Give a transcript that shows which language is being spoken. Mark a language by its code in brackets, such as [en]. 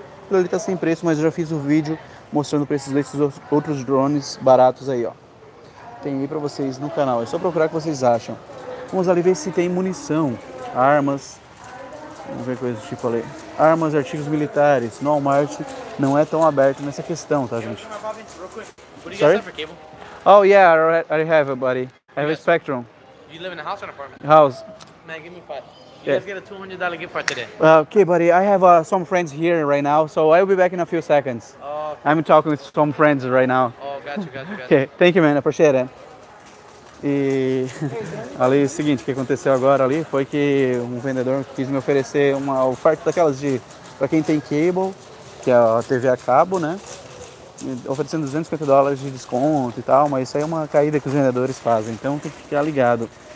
[pt] Ele tá sem preço, mas eu já fiz o vídeo mostrando o preço desses outros drones baratos aí, ó. Tem aí pra vocês no canal, é só procurar o que vocês acham. Vamos ali ver se tem munição, armas, vamos ver coisas do tipo ali. Armas e artigos militares, no Walmart não é tão aberto nessa questão, tá, gente? [en] Sorry? Oh, yeah, I already have it, buddy. I have a Spectrum. You live in a house or an apartment? House. Man, give me five. You guys get a $200 gift card today. Okay, buddy, I have some friends here right now, so I'll be back in a few seconds. Okay. I'm talking with some friends right now. Gotcha. Okay, thank you, man, appreciate it. [pt] E ali o seguinte, o que aconteceu agora ali foi que um vendedor quis me oferecer uma oferta daquelas de, pra quem tem cable, que é a TV a cabo, né? Oferecendo $250 de desconto e tal, mas isso aí é uma caída que os vendedores fazem, então tem que ficar ligado.